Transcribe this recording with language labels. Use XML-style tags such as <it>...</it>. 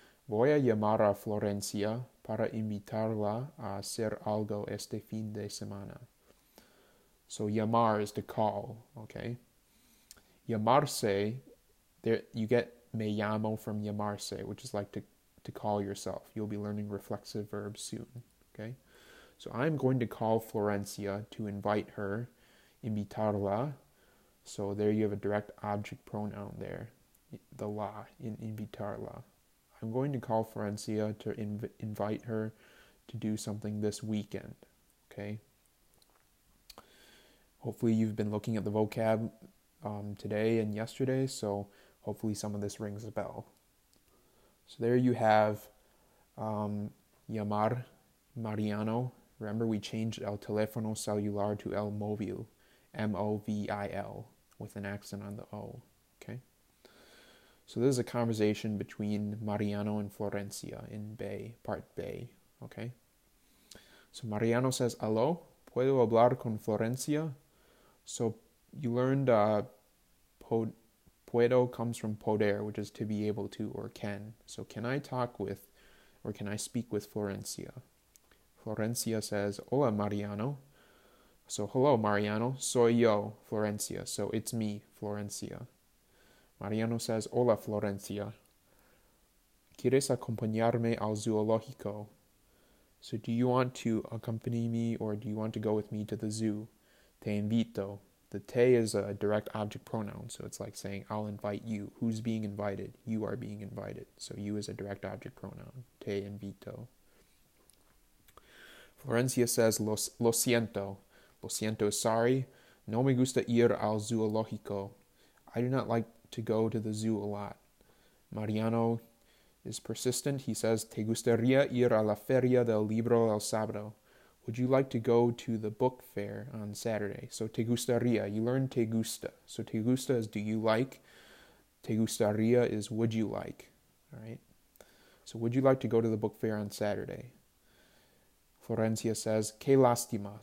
<es>Voy a llamar a Florencia para invitarla a hacer algo este fin de semana.</es> <en>So llamar is to call, okay? Llamarse, there you get me llamo from llamarse, which is like to call yourself. You'll be learning reflexive verbs soon, okay? So I'm going to call Florencia to invite her, invitarla. So there you have a direct object pronoun there, the la, in invitarla. I'm going to call Florencia to invite her to do something this weekend, okay? Hopefully you've been looking at the vocab today and yesterday, so hopefully some of this rings a bell. So there you have llamar Mariano. Remember we changed</en> <es>el teléfono celular</es> <en>to</en> <es>el móvil,</es> <en>M-O-V-I-L, with an accent on the O, okay? So this is a conversation between Mariano and Florencia in Bay, part Bay, okay? So Mariano says,</en> <es>aló, ¿puedo hablar con Florencia?</es> <en>So you learned puedo comes from poder, which is to be able to or can. So can I talk with or can I speak with Florencia? Florencia says, hola, Mariano. So hello, Mariano.</en> <es>Soy yo,</es> <en>Florencia. So it's me, Florencia. Mariano says,</en> <es>hola, Florencia. ¿Quieres acompañarme al zoológico?</es> <en>So do you want to accompany me or do you want to go with me to the zoo?</en> <es>Te invito.</es> <en>The te is a direct object pronoun, so it's like saying, I'll invite you. Who's being invited? You are being invited. So you is a direct object pronoun.</en> <es>Te invito.</es> <en>Florencia says,</en> <es>lo siento. Lo siento,</es> <en>sorry.</en> <es>No me gusta ir al zoológico.</es> <en>I do not like to go to the zoo a lot. Mariano is persistent. He says,</en> <es>te gustaría ir a la feria del libro el sábado.</es> <en>Would you like to go to the book fair on Saturday? So</en> <es>te gustaría,</es> <en>you learn</en> <es>te gusta.</es> <en>So te gusta is do you like.</en> <es>Te gustaría</es> <en>is would you like. All right. So would you like to go to the book fair on Saturday? Florencia says,</en> <es>qué lástima.</es>